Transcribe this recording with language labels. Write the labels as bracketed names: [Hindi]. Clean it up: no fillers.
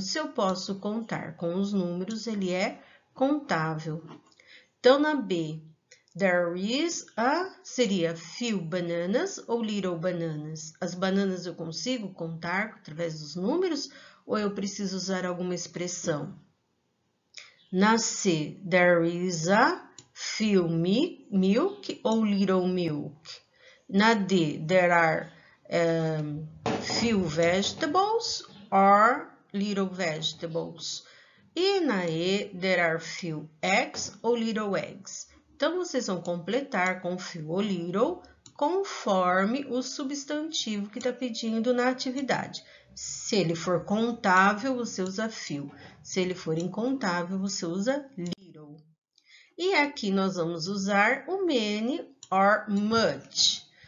[Portuguese] Se eu posso contar com os números, ele é contável. Então, na B, [English] there is a, [Portuguese] seria [English] few bananas [Portuguese] ou [English] little bananas. [Portuguese] As bananas eu consigo contar através dos números ou eu preciso usar alguma expressão? Na C, [English] there is a few milk [Portuguese] ou [English] little milk. [Portuguese] Na D, [English] there are few vegetables or little vegetables. [Portuguese] E na E, [English] there are few eggs [Portuguese] ou [English] little eggs. [Portuguese] Então, vocês vão completar com few ou little conforme o substantivo que está pedindo na atividade. Se ele for contável, você usa few. Se ele for incontável, você usa little. E aqui nós vamos usar o many or much.